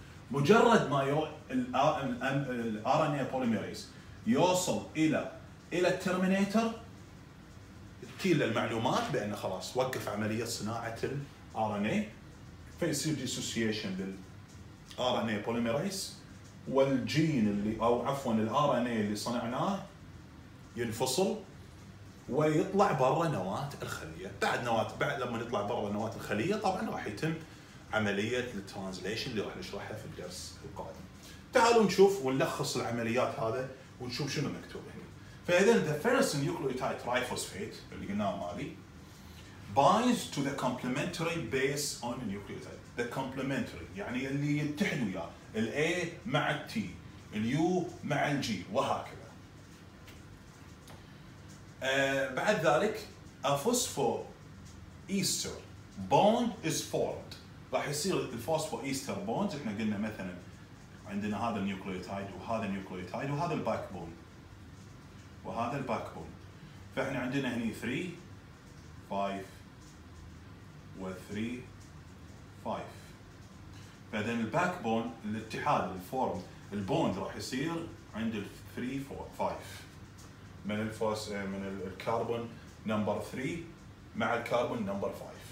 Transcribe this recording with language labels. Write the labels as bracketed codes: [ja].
[ar] مجرد ما الار ان اي بوليميريز يوصل الى الترمينيتور تيل المعلومات بأن خلاص وقف عملية صناعة الـ RNA فيصير ديسوسيشن بالـ RNA بوليميريز والجين اللي أو عفواً الـ RNA اللي صنعناه ينفصل ويطلع برا نواة الخلية. بعد نواة بعد لما يطلع برا نواة الخلية طبعاً راح يتم عملية الترانزليشن اللي راح نشرحها في الدرس القادم. تعالوا نشوف ونلخص العمليات هذا ونشوف شنو مكتوب هنا. [en] فإذن the first nucleotide triphosphate [ar] اللي قلناه مالي [en] binds to the complementary base on nucleotide. [ar] The complementary يعني اللي يتحد وياه ال A مع ال T ال U مع ال G وهكذا. بعد ذلك [en] a phosphoester bond is formed. [ar] راح يصير [en] the phosphoester bonds. [ar] احنا قلنا مثلا عندنا هذا النيوكليوتايد وهذا النيوكليوتايد وهذا الباك بون وهذا الباك بون. فاحنا عندنا هنا 3 5 و 3 5. فاذا الباك بون الاتحاد الفورم البوند راح يصير عند 3 4 5 من الفوس من الكربون نمبر 3 مع الكربون نمبر 5.